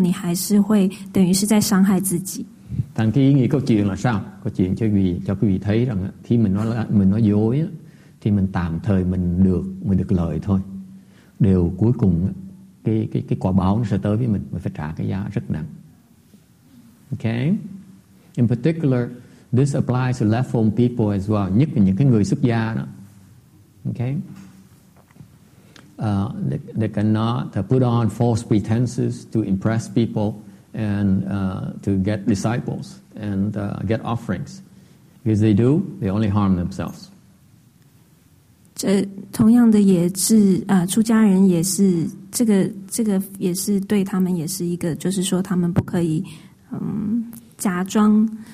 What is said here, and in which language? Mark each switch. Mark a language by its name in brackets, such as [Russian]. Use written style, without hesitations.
[Chinese] 所以这故事就告诉我们说，当你说谎的时候，你可能会得到暂时的、短暂的这个好处，但是最后你还是会等于是在伤害自己。但 [Vietnamese] cái ý nghĩa câu chuyện là sao? Câu chuyện cho quý vị thấy rằng khi mình nói dối thì mình tạm thời mình được lợi thôi. Điều cuối cùng cái quả báo nó sẽ tới với mình phải trả cái giá rất nặng. [English] Okay, in particular. This applies to left-home people as well, [Vietnamese] nhất là những cái người xuất gia đó. [English] Okay, they cannot put on false pretenses to impress people and to get disciples and get offerings. If they do, they only harm themselves. [Chinese] 这同样的也是出家人也是这个也是对他们也是一个就是说他们不可以假装。